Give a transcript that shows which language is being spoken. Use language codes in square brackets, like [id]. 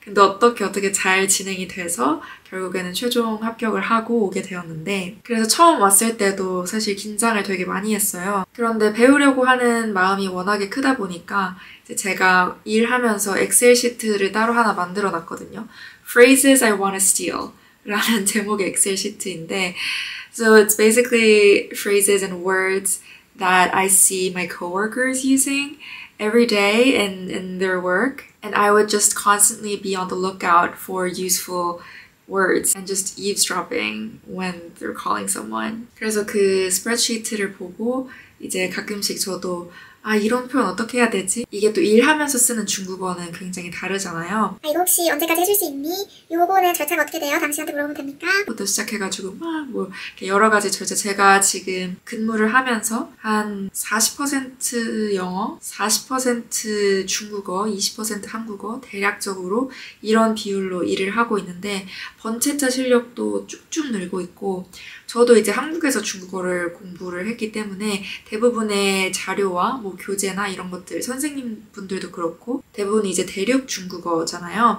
[ko] 근데 어떻게 잘 진행이 돼서 결국에는 최종 합격을 하고 오게 되었는데 그래서 처음 왔을 때도 사실 긴장을 되게 많이 했어요. 그런데 배우려고 하는 마음이 워낙에 크다 보니까 이제 제가 일하면서 엑셀 시트를 따로 하나 만들어 놨거든요. [en] Phrases I wanna steal [ko] 라는 제목의 엑셀 시트인데 [en] So it's basically phrases and words that I see my coworkers using every day in their work. And I would just constantly be on the lookout for useful words and just eavesdropping when they're calling someone. [ko] 그래서 그 스프레드시트를 보고 이제 가끔씩 저도 아 이런 표현 어떻게 해야 되지? 이게 또 일하면서 쓰는 중국어는 굉장히 다르잖아요. 아 이거 혹시 언제까지 해줄 수 있니? 요거는 절차가 어떻게 돼요? 당신한테 물어보면 됩니까? 부터 시작해가지고 막 뭐 이렇게 여러 가지 절차 제가 지금 근무를 하면서 한 40% 영어, 40% 중국어, 20% 한국어 대략적으로 이런 비율로 일을 하고 있는데 번체자 실력도 쭉쭉 늘고 있고 저도 이제 한국에서 중국어를 공부를 했기 때문에 대부분의 자료와 뭐 교재나 이런 것들 선생님분들도 그렇고 대부분 이제 대륙 중국어잖아요.